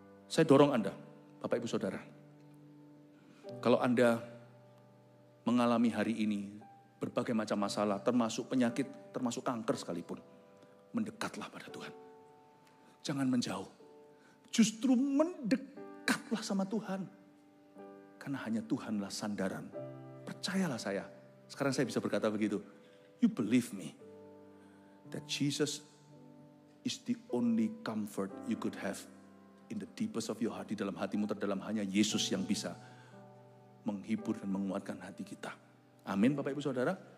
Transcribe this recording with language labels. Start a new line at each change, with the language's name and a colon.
Indonesian: Saya dorong Anda, Bapak Ibu Saudara. Kalau Anda mengalami hari ini berbagai macam masalah, termasuk penyakit, termasuk kanker sekalipun, mendekatlah pada Tuhan. Jangan menjauh. Justru mendekatlah sama Tuhan. Karena hanya Tuhanlah sandaran. Percayalah saya. Sekarang saya bisa berkata begitu.
English: You believe me that Jesus is the only comfort you could have in the deepest of your heart.
Indonesian: Di dalam hatimu terdalam hanya Yesus yang bisa menghibur dan menguatkan hati kita. Amin, Bapak Ibu Saudara.